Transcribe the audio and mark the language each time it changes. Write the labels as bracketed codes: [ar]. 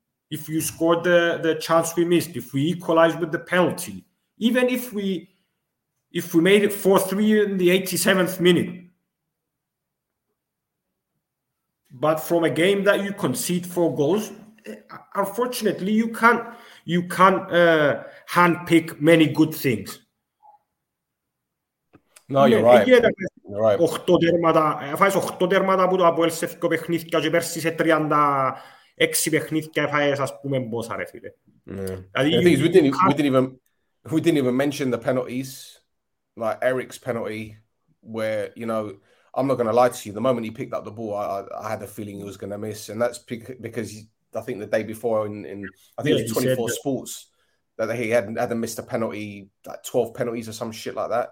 [en] If you scored the chance we missed, if we equalized with the penalty, even if we made it 4-3 in the 87th minute, but from a game that you concede 4 goals, unfortunately, you can't handpick many good things. No, you're right. [el] Οχτώ τέρματα που το Αποέλ σε 2 παιχνίδια και πέρσι σε 36 παιχνίδια έφαγες, ας πούμε, μπόσα, ρε φίλε. [en] We didn't even mention the penalties, like Eric's penalty, where, you know, I'm not going to lie to you. The moment he picked up the ball, I had a feeling he was going to miss. And that's because I think the day before in I think it was 24 Sports, that he hadn't missed a penalty, like 12 penalties or some shit like that.